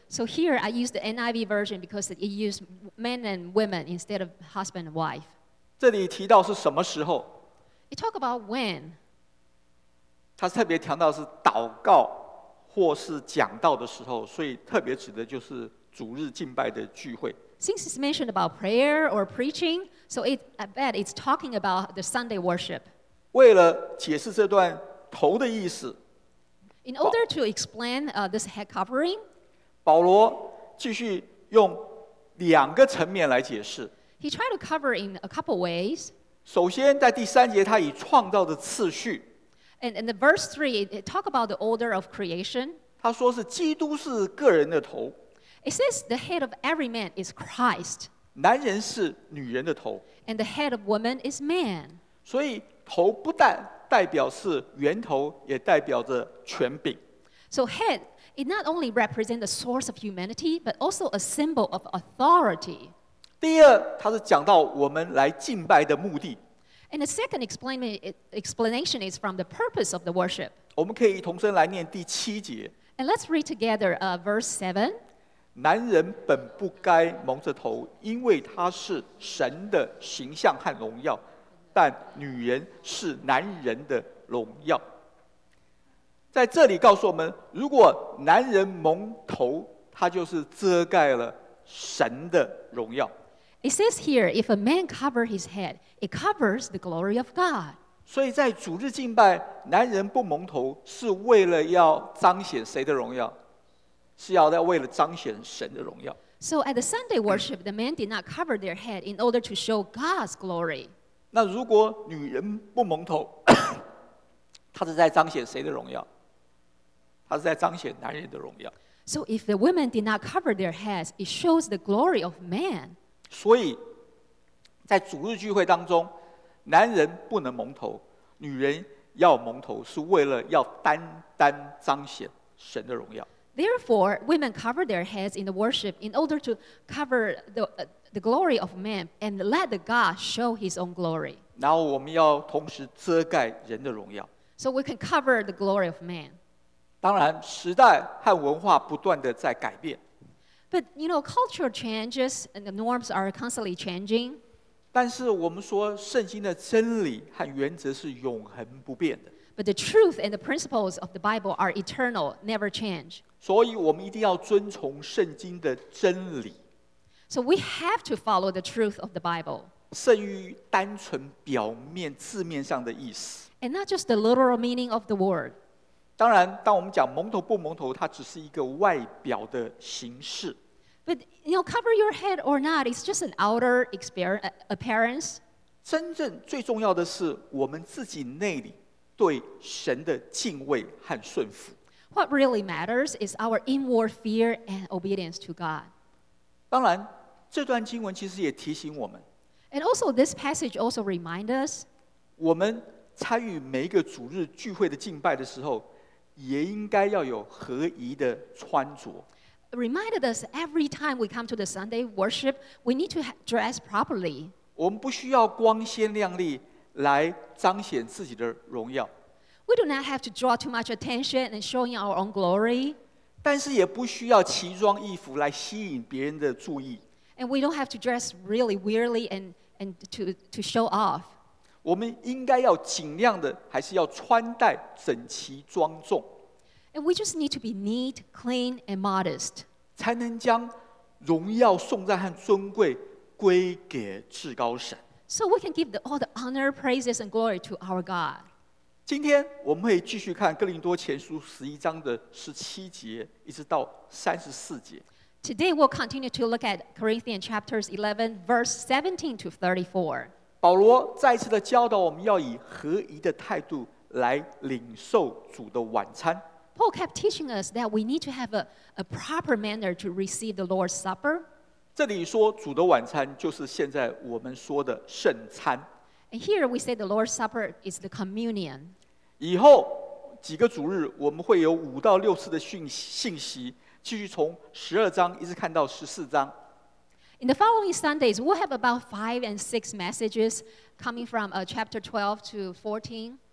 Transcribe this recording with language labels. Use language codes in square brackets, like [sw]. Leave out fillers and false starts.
[en] ？So here I use the NIV version because it used men and women instead of husband and wife. [zh] 这里提到是什么时候 [en] ？It talk about when. [zh] 他特别强调是祷告或是讲道的时候，所以特别指的就是主日敬拜的聚会。 [en] Since it's mentioned about prayer or preaching, so it, I bet it's talking about the Sunday worship. [zh] 为了解释这段头的意思， [en] In order to explain this head covering, [zh] 保罗继续用两个层面来解释。 [en] He tried to cover in a couple ways. [zh] 首先在第三节他以创造的次序。 [en] And in the verse 3, it talks about the order of creation. [zh] 他说是基督是个人的头。 [en] It says the head of every man is Christ. [zh] 男人是女人的头。 [en] And the head of woman is man. [zh] 所以头不但代表是源头，也代表着权柄。 [en] So head, it not only represents the source of humanity, but also a symbol of authority. [zh] 第二，它是讲到我们来敬拜的目的。 [en] And the second explanation is from the purpose of the worship. [zh] 我们可以同声来念第七节。 [en] And let's read together verse 7. [zh] 男人本不该蒙着头，因为他是神的形象和荣耀，但女人是男人的荣耀。在这里告诉我们，如果男人蒙头，他就是遮盖了神的荣耀。 [en] It says here, if a man covers his head, it covers the glory of God. [zh] 所以在主日敬拜，男人不蒙头，是为了要彰显谁的荣耀？是要为了彰显神的荣耀。 [en] So at the Sunday worship, the men did not cover their head in order to show God's glory. [zh] 那如果女人不蒙头，她是在彰显谁的荣耀？她是在彰显男人的荣耀。 [en] So if the women did not cover their heads, it shows the glory of man. [zh] 所以在主日聚会当中，男人不能蒙头，女人要蒙头，是为了要单单彰显神的荣耀。 [en] Therefore, women cover their heads in the worship in order to cover the glory of man and let the God show his own glory. [zh] 然后我们要同时遮盖人的荣耀。 [en] So we can cover the glory of man. [zh] 当然时代和文化不断地在改变。 [en] But you know, cultural changes and the norms are constantly changing. [zh] 但是我们说圣经的真理和原则是永恒不变的。 [en] But the truth and the principles of the Bible are eternal, never change. [zh] 所以我们一定要遵从圣经的真理。 [en] So we have to follow the truth of the Bible. [zh] 胜于单纯表面字面上的意思。 [en] And not just the literal meaning of the word. [zh] 当然，当我们讲蒙头不蒙头，它只是一个外表的形式。 [en] But you know, cover your head or not, it's just an outer appearance. [zh] 真正最重要的是我们自己内里对神的敬畏和顺服。 [en] What really matters is our inward fear and obedience to God. [zh] 当然，这段经文其实也提醒我们。 [en] And also, this passage also reminds us. [zh] 我们参与每一个主日聚会的敬拜的时候，也应该要有合宜的穿着。 [en] Reminded us every time we come to the Sunday worship, we need to dress properly. [zh] 我们不需要光鲜亮丽来彰显自己的荣耀。 [en] We do not have to draw too much attention and showing our own glory. [zh] 但是也不需要奇装异服来吸引别人的注意。 [en] And we don't have to dress really weirdly and to show off. [zh] 我们应该要尽量的，还是要穿戴整齐庄重。 [en] And we just need to be neat, clean, and modest. [zh] 才能将荣耀、颂赞和尊贵归给至高神。 [en] So we can give all the honor, praises, and glory to our God. [zh] 今天我们会继续看哥林多前书十一章的十七节一直到三十四节。 [en] Today we'll continue to look at Corinthians chapters 11, verse 17 to 34. [zh] 保罗再次的教导我们要以合宜的态度来领受主的晚餐。 [en] Paul kept teaching us that we need to have a proper manner to receive the Lord's Supper. [zh] 这里说主的晚餐就是现在我们说的圣餐。 [en] And here we say the Lord's Supper is the communion. [zh] 以后几个主日我们会有五到六次的信息，继续从十二章一直看到十四章。 [en] In the following Sundays, we'll have about 5 and 6 messages coming from chapter 12 to 14.